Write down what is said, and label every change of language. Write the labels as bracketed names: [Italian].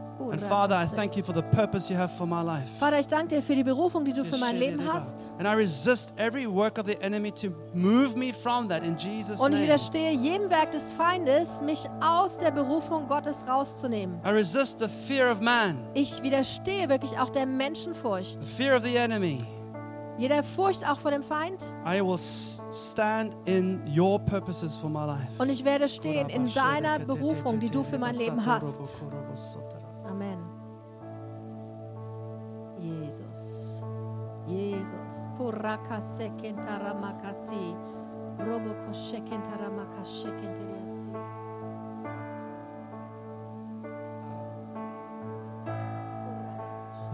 [English] And Father, I thank you for the purpose you have for my life. [German] Vater, ich danke dir für die Berufung, die du für mein Leben hast. [English] And I resist every work of the enemy to move me from that in Jesus' name. [German] Und ich widerstehe jedem Werk des Feindes, mich aus der Berufung Gottes rauszunehmen. [English] I resist the fear of man. [German] Ich widerstehe wirklich auch der Menschenfurcht. [English] The fear of the enemy. [German] Jeder Furcht auch vor dem Feind. [English] I will stand in your purposes for my life. [German] Und ich werde stehen in deiner Berufung, die du für mein Leben hast. [English] Amen. Jesus. Jesus. Kuraka sekentara makasi. Roboko sekentara makasi sekentara makasi.